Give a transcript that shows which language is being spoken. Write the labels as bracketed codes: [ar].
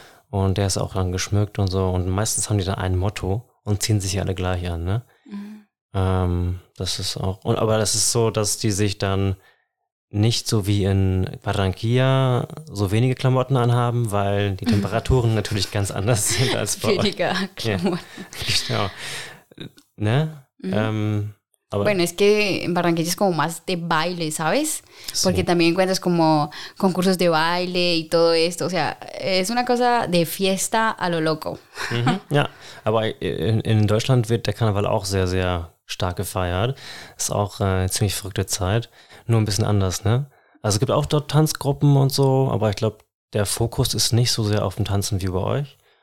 [de] Und der ist auch dann geschmückt und so. Und meistens haben die dann ein Motto und ziehen sich alle gleich an, ne? Das ist auch, aber das ist so, dass die sich dann nicht so wie in Barranquilla so wenige Klamotten anhaben, weil die Temperaturen natürlich ganz anders sind als bei euch. Weniger Klamotten. Yeah. Genau. Ne? Mm-hmm. [es] Aber bueno, es que en Barranquilla es como más de baile, ¿sabes? Sí. Porque también encuentras como concursos de baile y todo esto. O sea, es una cosa de fiesta a lo loco. Mhm. [de] Ja, aber in Deutschland wird der Karneval auch sehr, sehr stark gefeiert. Ist auch eine ziemlich verrückte Zeit. Nur ein bisschen anders, ne? Also es gibt auch dort Tanzgruppen und so, aber ich glaube, der Fokus ist nicht so sehr auf dem Tanzen wie bei euch.